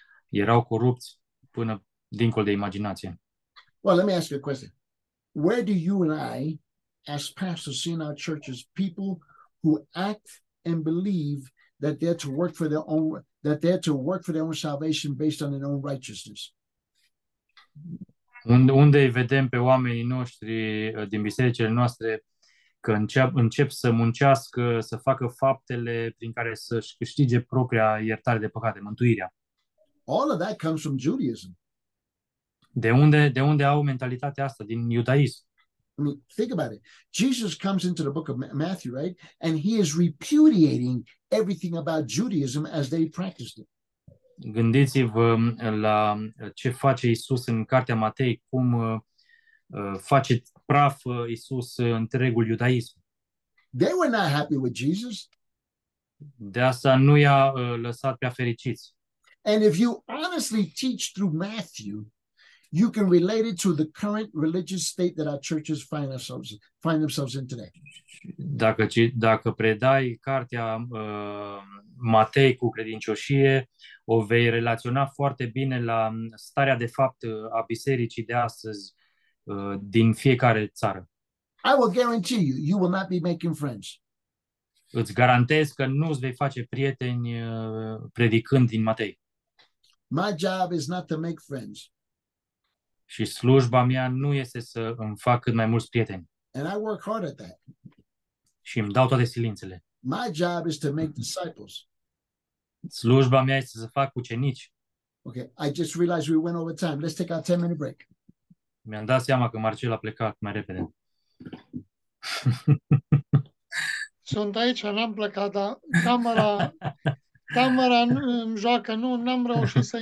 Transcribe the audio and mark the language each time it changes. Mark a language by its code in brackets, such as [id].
[ro] Erau corupți până dincolo de imaginație. [en] Well, let me ask you a question. Where do you and I, as pastors, see in our churches people who act and believe that they're to work for their own, that they're to work for their own salvation based on their own righteousness? [ro] Unde îi vedem pe oamenii noștri din bisericile noastre că încep să muncească, să facă faptele prin care să-și câștige propria iertare de păcate, mântuirea? [en] All of that comes from Judaism. [ro] De unde au mentalitatea asta din iudaism? [en] I mean, think about it. Jesus comes into the book of Matthew, right? And he is repudiating everything about Judaism as they practiced it. [ro] Gândiți-vă la ce face Isus în cartea Matei, cum face praf Isus întregul iudaism. [en] They were not happy with Jesus. [ro] De asta nu i-a lăsat prea fericiți. [en] And if you honestly teach through Matthew, you can relate it to the current religious state that our churches find themselves in today. [ro] Dacă predai cartea Matei cu credincioșie, o vei relaționa foarte bine la starea de fapt a bisericii de astăzi din fiecare țară. [en] I will guarantee you, you will not be making friends. [ro] Îți garantez că nu îți vei face prieteni predicând din Matei. [en] My job is not to make friends. [ro] Și slujba mea nu este să îmi fac cât mai mulți prieteni. [en] And I work hard at that. [ro] Și îmi dau toate silințele. [en] My job is to make disciples. [ro] Slujba mea este să fac ucenici. [en] Okay, I just realized we went over time. Let's take our 10 minute break. [ro] Mi-am dat seama că Marcel a plecat mai repede. Sunt aici, n-am plecat, dar camera îmi joacă, nu, n-am reușit să